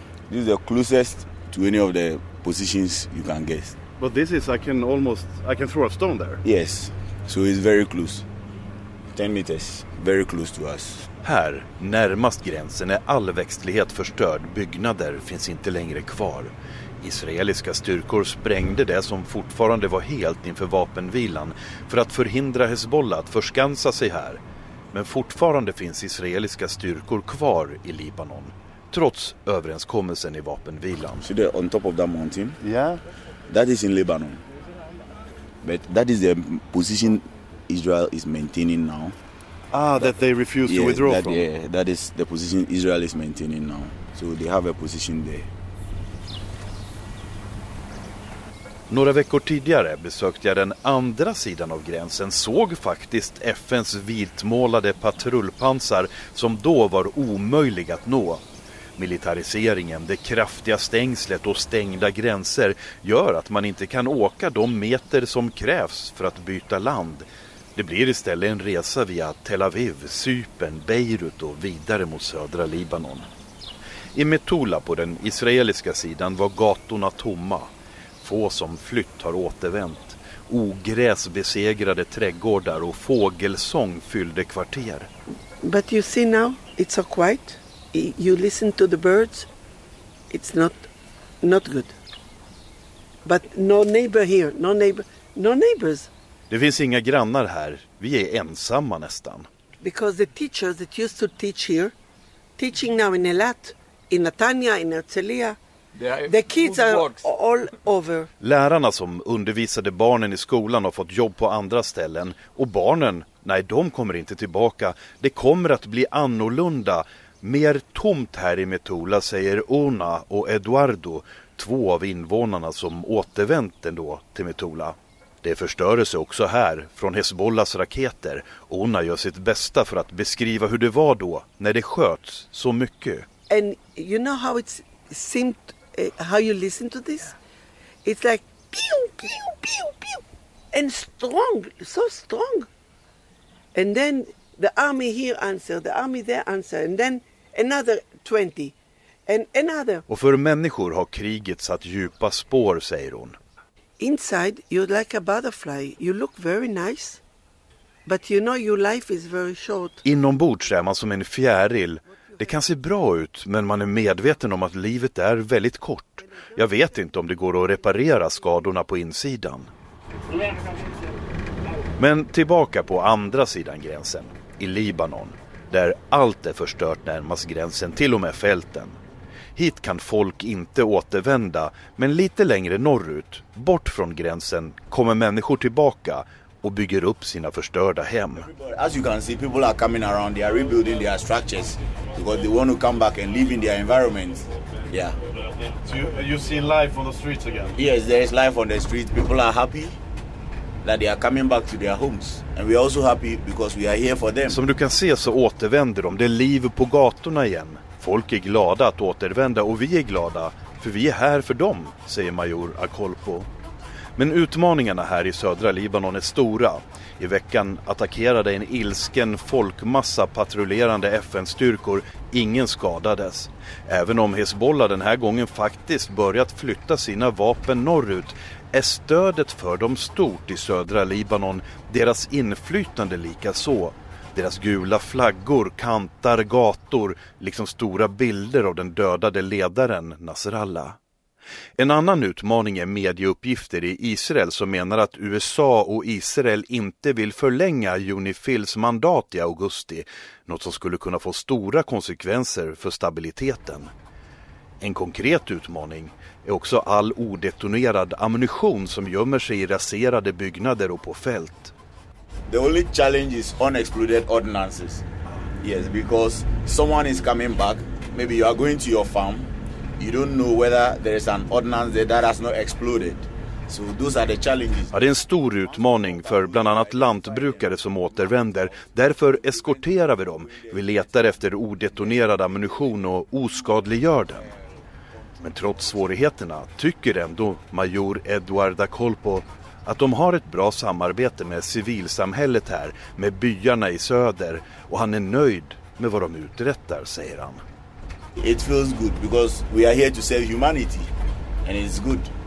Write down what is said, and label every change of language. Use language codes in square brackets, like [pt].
[en] This is the closest to any of the positions you can guess. But this is, I can throw a stone there. Yes, so it's very close. 10 meters, very close to us. [sv] Här, närmast gränsen, är all växtlighet förstörd. Byggnader finns inte längre kvar. Israeliska styrkor sprängde det som fortfarande var helt inför vapenvilan för att förhindra Hezbollah att förskansa sig här. Men fortfarande finns israeliska styrkor kvar i Libanon, trots överenskommelsen i vapenvilan. [en] See that on top of that mountain? Yeah. That is in Lebanon. But that is the position Israel is maintaining now. Ah, that they refuse to withdraw that, from. Yeah, that is the position Israel is maintaining now. So they have a position there. [sv] Några veckor tidigare besökte jag den andra sidan av gränsen, såg faktiskt FNs vitmålade patrullpansar som då var omöjliga att nå. Militariseringen, det kraftiga stängslet och stängda gränser gör att man inte kan åka de meter som krävs för att byta land. Det blir istället en resa via Tel Aviv, Cypern, Beirut och vidare mot södra Libanon. I Metula på den israeliska sidan var gatorna tomma. Få som flytt har återvänt. Ogräs besegrade trädgårdar och fågelsång fyllde kvarter. [en] But you see now, it's so quiet. You listen to the birds. It's not good. But no neighbor here, no neighbors. [sv] Det finns inga grannar här. Vi är ensamma nästan. [en] Because the teachers that used to teach here, teaching now in Elat, in Netanya, in Herzliya. The kids are all over. [sv] Lärarna som undervisade barnen i skolan har fått jobb på andra ställen. Och barnen, nej, de kommer inte tillbaka. Det kommer att bli annorlunda. Mer tomt här i Metula, säger Ona och Eduardo, två av invånarna som återvänt ändå till Metula. Det förstördes också här från Hezbollahs raketer. Ona gör sitt bästa för att beskriva hur det var då när det sköts så mycket. [en] And you know how it seemed, how you listen to this? It's like pew pew pew pew and strong, so strong. And then the army here answer, the army there answer, and then another 20 and another. [sv] Och för människor har kriget satt djupa spår, säger hon. [en] Inside you're like a butterfly, you look very nice, but you know your life is very short. [sv] Inombords är man som en fjäril. Det kan se bra ut, men man är medveten om att livet är väldigt kort. Jag vet inte om det går att reparera skadorna på insidan. Men tillbaka på andra sidan gränsen, i Libanon, där allt är förstört närmast gränsen, till och med fälten. Hit kan folk inte återvända, men lite längre norrut, bort från gränsen, kommer människor tillbaka och bygger upp sina förstörda hem. [en] As you can see, people are coming around, they are rebuilding their structures because they want to come back and live in their environments. Yeah. You see life on the streets again? Yes, there is life on the streets. People are happy that they are coming back to their homes. And we are also happy because we are here for them. [sv] Som du kan se så återvänder de. Det är liv på gatorna igen. Folk är glada att återvända och vi är glada för vi är här för dem, säger major Akolpo. Men utmaningarna här i södra Libanon är stora. I veckan attackerade en ilsken folkmassa patrullerande FN-styrkor. Ingen skadades. Även om Hezbollah den här gången faktiskt börjat flytta sina vapen norrut, är stödet för dem stort i södra Libanon, deras inflytande lika så. Deras gula flaggor kantar gator, liksom stora bilder av den dödade ledaren Nasrallah. En annan utmaning är medieuppgifter i Israel som menar att USA och Israel inte vill förlänga UNIFILs mandat i augusti, något som skulle kunna få stora konsekvenser för stabiliteten. En konkret utmaning är också all odetonerad ammunition som gömmer sig i raserade byggnader och på fält. [en] The only challenge is unexploded ordnances. Yes, because someone is coming back, maybe you are going to your farm. You don't know whether there is an ordnance there that has not exploded. So those are the challenges. [sv] Ja, det är en stor utmaning för bland annat lantbrukare som återvänder. Därför eskorterar vi dem. Vi letar efter odetonerad ammunition och oskadliggör den. Men trots svårigheterna tycker ändå major Eduardo Colpo att de har ett bra samarbete med civilsamhället här, med byarna i söder, och han är nöjd med vad de uträttar, säger han. [en] It feels good because we are here to save humanity and it's good.